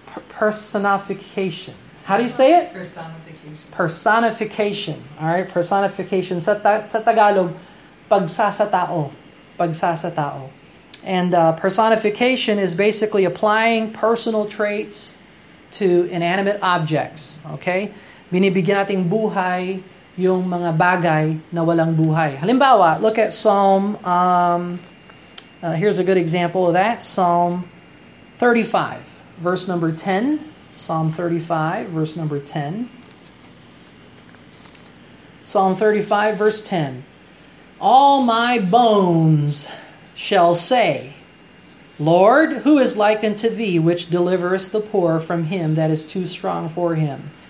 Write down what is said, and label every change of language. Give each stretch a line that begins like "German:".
English: Personification. How do you say it? Personification. All right,
Filipino: personification. Sa Tagalog, pagsasatao. Pagsasatao.
English: And personification is basically applying personal traits to inanimate objects. Okay?
Filipino: Binibigyan natin buhay yung mga bagay na walang buhay.
English: Halimbawa, look at Psalm... here's a good example of that. Psalm 35, verse number 10. Psalm 35, verse number 10. Psalm 35, verse 10. All my bones shall say, Lord, who is like unto thee, which deliverest the poor from him that is too strong for him?